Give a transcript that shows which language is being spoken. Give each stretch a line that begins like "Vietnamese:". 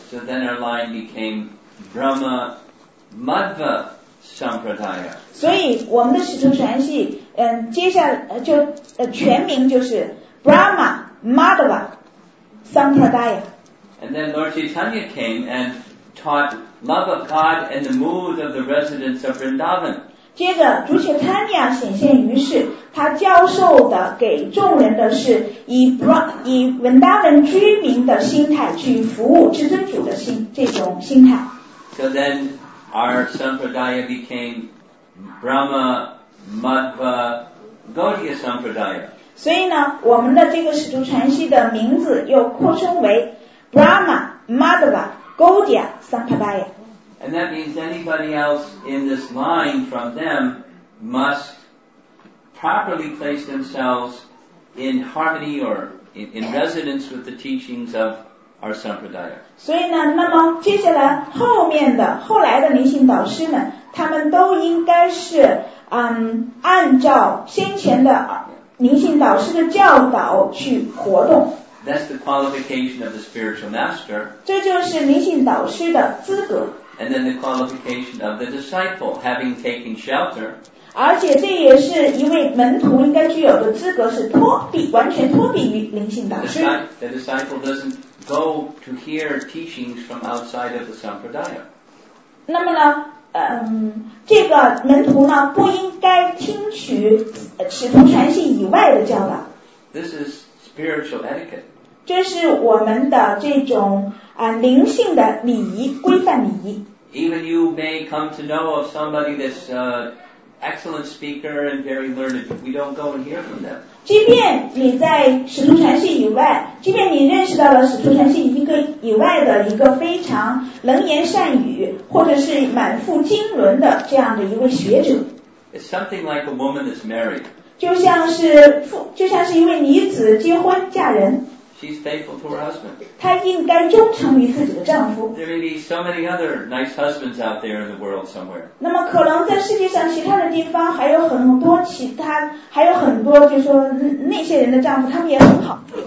English: So then our line became Brahma Madhva Sampradaya.
Chinese: 所以我们的使徒传系，接下来就全名就是 Brahma Madhva Sampradaya.
English: And then Lord Chaitanya came and taught love of God and the mood of the residents of Vrindavan.
Chinese: 接着主切坦尼亚显现于世，他教授的给众人的是以文达文居民的心态去服务至尊主的心，这种心态。
English: So then our sampradaya became Brahma Madhva Gaudiya Sampradaya.
Chinese: 所以呢，我们的这个使徒传系的名字又扩充为 Brahma Madhva Gaudiya Sampradaya。
English: And that means anybody else in this line from them must properly place themselves in harmony or in resonance with the teachings of our Sampradaya.
Chinese: 所以呢，那么接下来后面的后来的灵性导师们，他们都应该是按照先前的灵性导师的教导去活动。
English: That's the qualification of the spiritual master.
Chinese: 这就是灵性导师的资格。
English: And then the qualification of the disciple, having taken shelter.
Chinese: 而且这也是一位门徒应该具有的资格，是脱避，完全脱避于灵性导师。
English: The disciple doesn't go to hear teachings from outside of the Sampradaya.
Chinese: 那么呢，这个门徒呢，不应该听取使徒传系以外的教导。
English: This is spiritual etiquette.
Chinese: 这是我们的这种灵性的礼仪，规范礼仪。
English: Even you may come to know of somebody that's excellent speaker and very learned, but we don't go and hear from them.
Chinese: 即便你在使徒传系以外，即便你认识到了使徒传系一个以外的一个非常能言善语，或者是满腹经纶的这样的一位学者。
English: It's something like a woman that's married.
Chinese: 就像是一位女子结婚嫁人。
English: She's faithful to her husband.
Chinese: 她应该忠诚于自己的丈夫。
English: There may be so many other nice husbands out there in the world somewhere.
Chinese: 那么可能在世界上其他的地方还有很多其他还有很多就是说那些人的丈夫他们也很好。